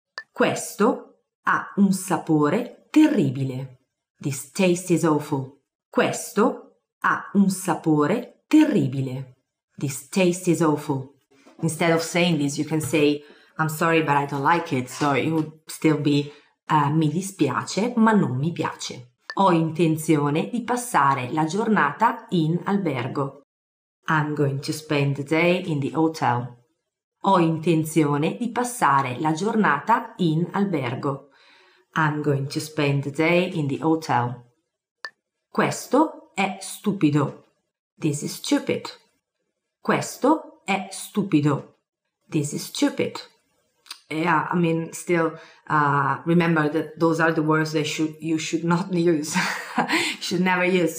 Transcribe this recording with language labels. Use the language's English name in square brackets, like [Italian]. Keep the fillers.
[Italian] Questo ha un sapore terribile. [English] This taste is awful. [Italian] Questo ha un sapore terribile. [English] This taste is awful. Instead of saying this, you can say, I'm sorry, but I don't like it. So it would still be uh, [Italian] mi dispiace, ma non mi piace. Ho intenzione di passare la giornata in albergo. In Ho intenzione di passare la giornata in albergo. [English] I'm going to spend the day in the hotel. [Italian] Questo è stupido. [English] This is stupid. [Italian] Questo è stupido. [English] This is stupid. yeah, I mean, still uh, remember that those are the words they should you should not use, should never use.